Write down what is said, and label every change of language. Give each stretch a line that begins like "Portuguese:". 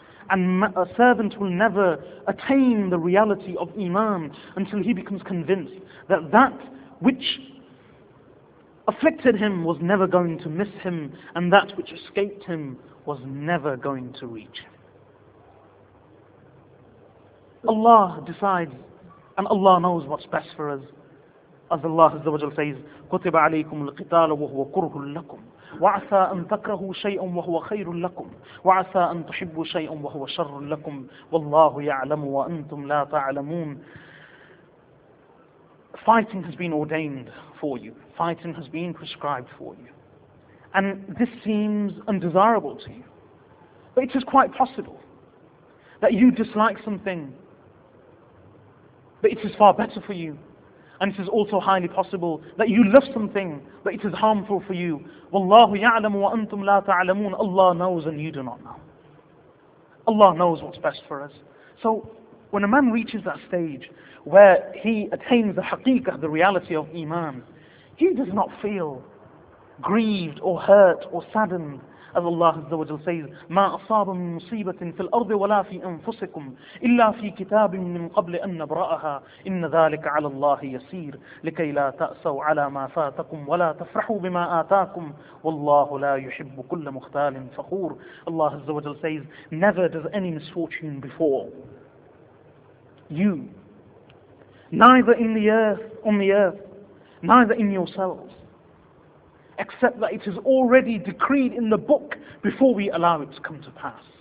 English: And a servant will never attain the reality of Iman until he becomes convinced that that which afflicted him was never going to miss him, and that which escaped him was never going to reach him. Allah decides, and Allah knows what's best for us. As Allah Azza wa Jalla says,
Arabic: كُتِبَ عَلَيْكُمُ الْقِتَالُ وَهُوَ كُرْهٌ لَكُمْ وَعَسَىٰ أَن تَكْرَهُوا شَيْئًا وَهُوَ خَيْرٌ لَكُمْ وَعَسَىٰ أَن تُحِبُّوا شَيْئًا وَهُوَ شَرٌّ لَكُمْ وَاللَّهُ يَعْلَمُ وَأَنْتُمْ لَا تَعْلَمُونَ.
English: Fighting has been ordained for you. Fighting has been prescribed for you. And this seems undesirable to you. But it is quite possible that you dislike something, but it is far better for you. And it is also highly possible that you love something, but it is harmful for you.
Arabic: وَاللَّهُ يَعْلَمُ وَأَنْتُمْ لَا تَعْلَمُونَ.
English: Allah knows and you do not know. Allah knows what's best for us. So when a man reaches that stage where he attains the haqiqah, the reality of Iman, he does not feel grieved or hurt or saddened. As Allah Azza wa Jalla says,
Arabic: مَا أَصَابَ مِن مُصِيبَةٍ فِي الْأَرْضِ وَلَا فِي أَنفُسِكُمْ إِلَّا فِي كِتَابٍ مِّن قَبْلِ أَن نَبْرَأَهَا إِنَّ ذَلِكَ عَلَى اللَّهِ يَسِيرٌ لِكَيْ لَا تَأْسَوْا عَلَى مَا فَاتَكُمْ وَلَا تَفْرَحُوا بِمَا آتَاكُمْ وَاللَّهُ لَا يُحِبُّ كُلَّ مُخْتَالٍ فَخُورٍ.
English: Allah Azza wa Jalla says, never does any misfortune befall you, neither in the earth, on the earth, neither in yourselves, except that it is already decreed in the book before we allow it to come to pass.